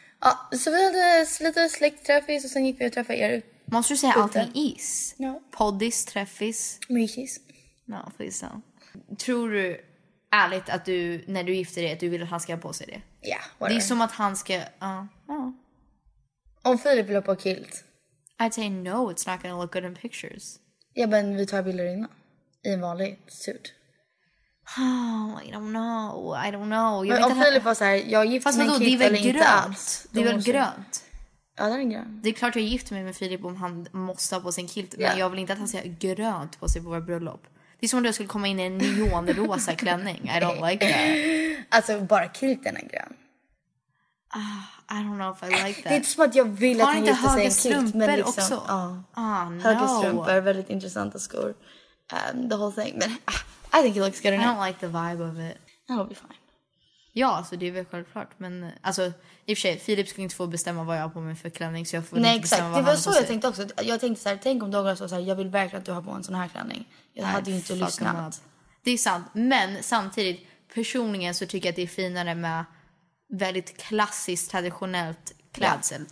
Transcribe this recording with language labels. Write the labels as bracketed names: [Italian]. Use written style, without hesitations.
[Swedish] Ja, så vi hade lite släktträffis och sen gick vi och träffade er. Måste du säga allting is? [English] No. [Swedish] Poddis, träffis? Mykis. [English] No, please don't. [Swedish] Tror du ärligt att du, när du gifter dig, att du vill att han ska ha på sig det? Ja, yeah, det är som att han ska... Om Filip vill ha på kilt. [English] I'd say no, it's not gonna look good in pictures. [Swedish] Ja, men vi tar bilder innan. I en vanlig suit. [English] Oh, I don't know. [Swedish] Jag men om Filip var såhär, jag gifter mig med Filip eller grönt. Inte allt. Det är väl grönt? Ja, det är grönt. Det är klart jag gifter mig med Filip om han måste ha på sin kilt. Yeah. Men jag vill inte att han ska grönt på sig på vår bröllop. Det är som om du skulle komma in i en neonrosa klänning. [English] I don't like that. [Swedish] Alltså, bara kilten är grön. [English] I don't know if I like that. [Swedish] Det är som att jag vill att han gifter sig en kilt. Men liksom, höga strumpor, väldigt intressanta skor. [English] The whole thing, but I think it looks good. I don't like the vibe of it. That'll be fine. [Swedish] Ja, alltså det är väl självklart, men alltså, i och för sig, Filip skulle inte få bestämma vad jag har på mig för klänning, så jag får nej, inte bestämma exakt. Vad det var så jag tänkte också. Jag tänkte så här, tänk om Douglas var så här, jag vill verkligen att du har på en sån här klänning. Jag nej, hade ju inte lyssnat. Man. Det är sant, men samtidigt personligen så tycker jag att det är finare med väldigt klassiskt traditionellt klädsel, yeah.